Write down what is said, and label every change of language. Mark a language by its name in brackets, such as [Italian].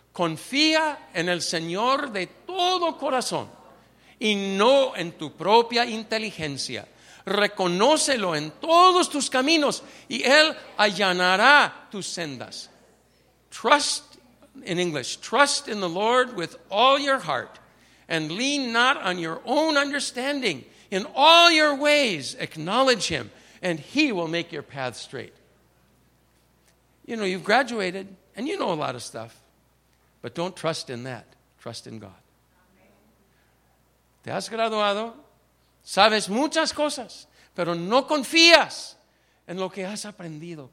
[Spanish] Confía en el Señor de todo corazón y no en tu propia inteligencia. Reconócelo en todos tus caminos y Él allanará tus sendas. [English] Trust, in English, trust in the Lord with all your heart and lean not on your own understanding. In all your ways, acknowledge Him and He will make your path straight. You know, you've graduated and you know a lot of stuff, but don't trust in that. Trust in God. [Spanish] Te has graduado. Sabes muchas cosas, pero no confías en lo que has aprendido.